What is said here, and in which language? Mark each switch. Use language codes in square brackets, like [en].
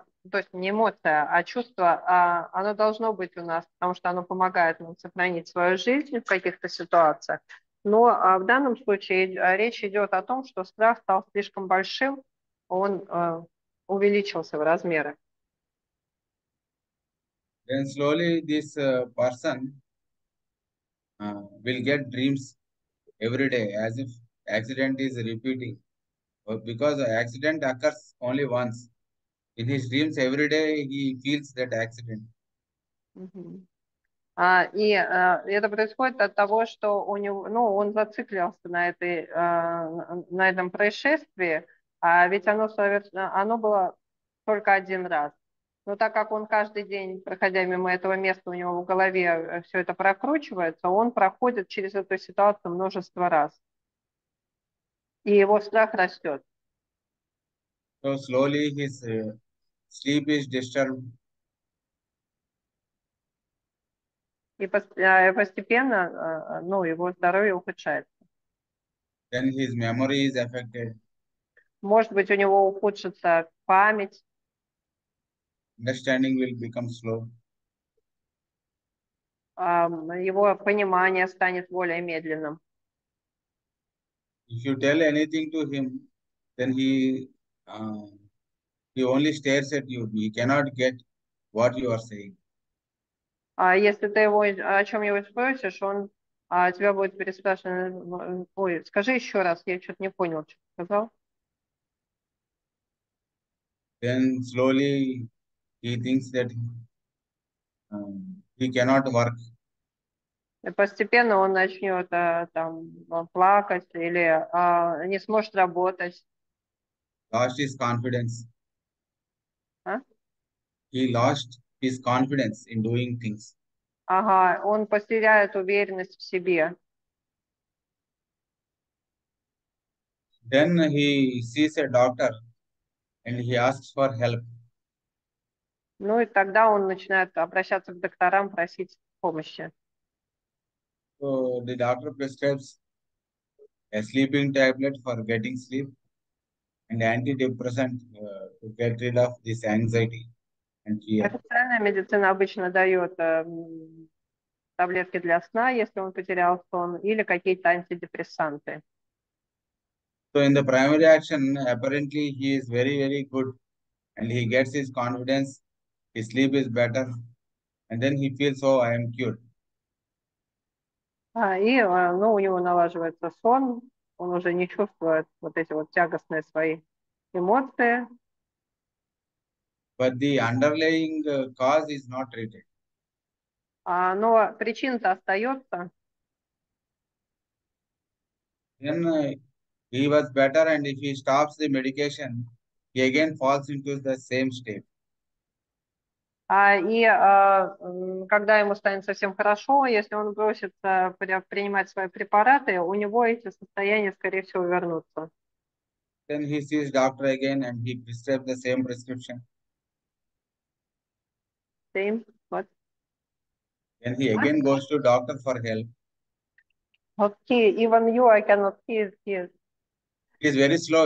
[ru] То есть не эмоция, а чувство, оно должно быть у нас, потому что оно помогает нам сохранить свою жизнь в каких-то ситуациях. Но в данном случае речь идет о том, что страх стал слишком большим, он увеличился в размерах. [en] Then slowly this person will get dreams every day as if accident is repeating. Because accident occurs only once. In his dreams every day he feels that accident. [ru] Это происходит от того, что у него, он зациклился на этом происшествии, а ведь оно было только один раз. Но так как он каждый день, проходя мимо этого места, у него в голове все это прокручивается, он проходит через эту ситуацию множество раз. И его страх растет. [en] So slowly his sleep is disturbed. [ru] И постепенно, его здоровье ухудшается. [en] Then his memory is affected. [ru] Может быть, у него ухудшится память. [en] Understanding will become slow. [ru] Его понимание станет более медленным. [en] If you tell anything to him, then he only stares at you. He cannot get what you are saying. [ru] Если ты его о чем-нибудь спросишь, он тебя будет переспрашивать. Ой, скажи еще раз, я что-то не понял, что ты сказал. [en] Then slowly he thinks that he cannot work. [ru] И постепенно он начнет плакать или не сможет работать. [en] Lost his confidence. He lost his confidence in doing things. [ru] Ага, он потеряет уверенность в себе. [en] Then he sees a doctor and he asks for help. [ru] Ну и тогда он начинает обращаться к докторам, просить помощи. [en] So the doctor prescribes a sleeping tablet for getting sleep and antidepressant to get rid of this anxiety and fear. [ru] Официальная медицина обычно дает таблетки для сна, если он потерял сон, или какие-то антидепрессанты. [en] So in the primary action, apparently he is very, very good and he gets his confidence, his sleep is better, and then he feels, oh, I am cured. [ru] Ну, у него налаживается сон, он уже не чувствует вот эти вот тягостные свои эмоции. [en] But the underlying cause is not treated. [ru] Но причина-то остается. [en] Then he was better, and if he stops the medication, he again falls into the same state. [ru] Когда ему станет совсем хорошо, если он бросится принимать свои препараты, у него эти состояния, скорее всего, вернутся. [en] Then he sees doctor again, and he prescribes the same prescription. Same. Then he again goes to doctor for help. Okay, even you, I cannot hear here. It is very slow.